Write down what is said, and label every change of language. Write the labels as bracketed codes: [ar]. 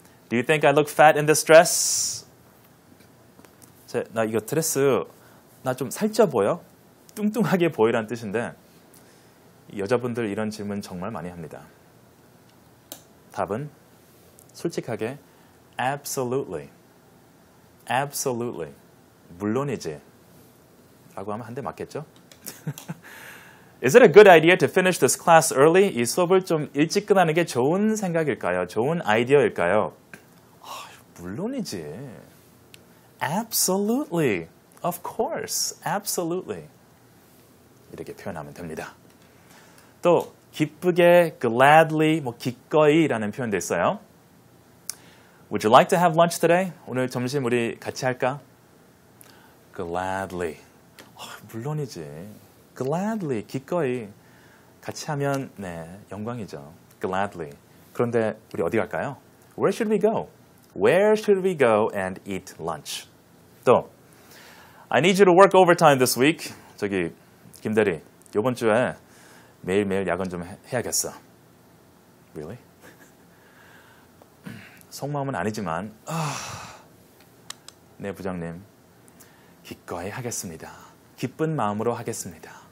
[en] Do you think I look fat in this dress? [ko] 나 이거 드레스, 나 좀 살쪄 보여? 뚱뚱하게 보이란 뜻인데 여자분들 이런 질문 정말 많이 합니다. 답은 솔직하게 absolutely. Absolutely. 물론이지. 라고 하면 한 대 맞겠죠? [en] Is it a good idea to finish this class early? [ko] 이 수업을 좀 일찍 끝나는 게 좋은 생각일까요? 좋은 아이디어일까요? 아, 물론이지. [en] Absolutely. Of course. Absolutely. [ko] 이렇게 표현하면 됩니다. 또 기쁘게, gladly, 뭐 기꺼이라는 표현도 있어요. [en] Would you like to have lunch today? [ko] 오늘 점심 우리 같이 할까? Gladly. 어, 물론이지. Gladly. 기꺼이. 같이 하면 네, 영광이죠. Gladly. 그런데 우리 어디 갈까요? [en] Where should we go? Where should we go and eat lunch? 또, I need you to work overtime this week. [ko] 저기, 김 대리, 이번 주에 매일매일 야근 좀 해야겠어. [en] Really? [ko] 속마음은 아니지만 아, 네 부장님 기꺼이 하겠습니다. 기쁜 마음으로 하겠습니다.